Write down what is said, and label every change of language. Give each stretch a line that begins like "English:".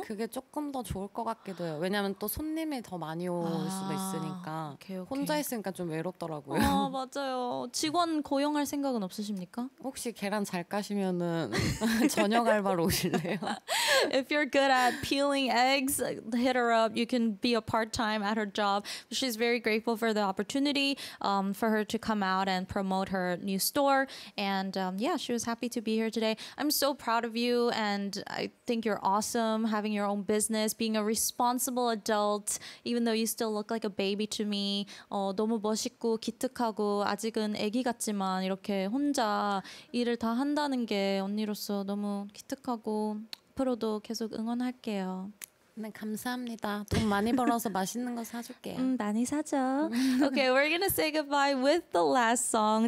Korean: 그게 조금 더 좋을 것 같기도 해요. 왜냐하면 또 손님이 더 많이 올 수도 있으니까 혼자 있으니까 좀 외롭더라고요. 아 맞아요. 직원 고용할 생각은 없으십니까? 혹시 계란 잘 까시면은 저녁 알바로 오실래요?
English: If you're good at peeling eggs, hit her up. You can be a part-time at her job. She's very grateful for the opportunity for her to come out and promote her new store. And yeah, she was happy to be here today. I'm so proud of you and I think you're awesome having your own business, being a responsible adult, even though you still look like a baby to me.
Korean: 너무 멋있고 기특하고 아직은 아기 같지만 이렇게 혼자 일을 다 한다는 게 언니로서 너무 기특하고 앞으로도 계속 응원할게요. 네, 감사합니다. 돈 많이 벌어서 맛있는 거 사줄게요. 많이 사죠.
English: Okay, we're gonna say goodbye with the last song.